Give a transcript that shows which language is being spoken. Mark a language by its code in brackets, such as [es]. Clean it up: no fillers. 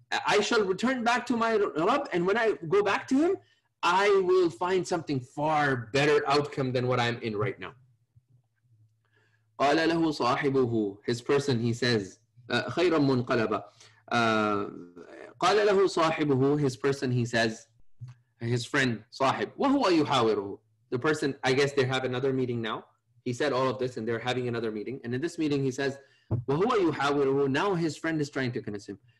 [en] I shall return back to my Rabb, and when I go back to him, I will find something far better outcome than what I'm in right now. [ar] قَالَ لَهُ صَاحِبُهُ, [en] his person, he says, [ar] خَيْرًا مُنْقَلَبًا. قَالَ لَهُ صَاحِبُهُ, [en] his person, he says, his friend, صَاحِب, [ar] وَهُوَ يُحَاوِرُهُ, [en] the person, I guess they have another meeting now. He said all of this and they're having another meeting. And in this meeting, he says, [ar] وَهُوَ يُحَاوِرُهُ, [en] now his friend is trying to convince him.